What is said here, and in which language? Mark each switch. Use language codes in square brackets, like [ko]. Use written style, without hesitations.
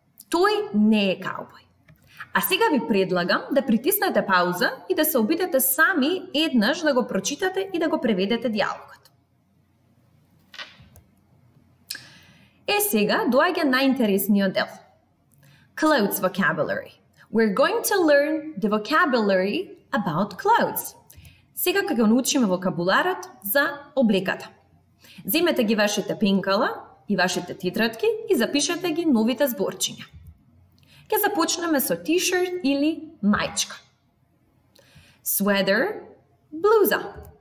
[mk] Тој не е каубој. А сега ви предлагам да притиснете пауза и да се обидете сами еднаш да го прочитате и да го преведете диалогот. Е сега доаѓа најинтересниот дел. [en] Clothes vocabulary. We're going to learn the vocabulary about clothes. [mk] Сега кога ќе научиме вокабуларот за облеката. Земете ги вашите пинкала и вашите титратки и запишете ги новите зборчиња. Ќе започнеме со t-shirt или мајчка. Sweater, блуза.